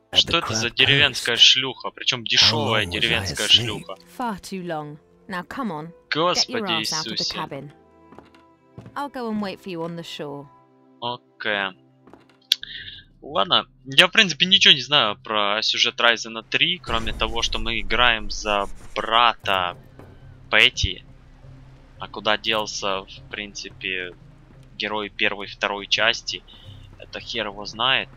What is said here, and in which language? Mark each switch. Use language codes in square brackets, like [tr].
[ru] Что это за деревенская шлюха? Причем дешевая деревенская шлюха. [en] Far too long. Now come on. [ru] Господи Иисусе. [en] I'll go and wait for you on the shore. [ru] Окей. Ладно, я в принципе ничего не знаю про сюжет Ryzen 3, кроме того, что мы играем за брата Пэти. А куда делся, в принципе, герой первой и второй части, это хер его знает.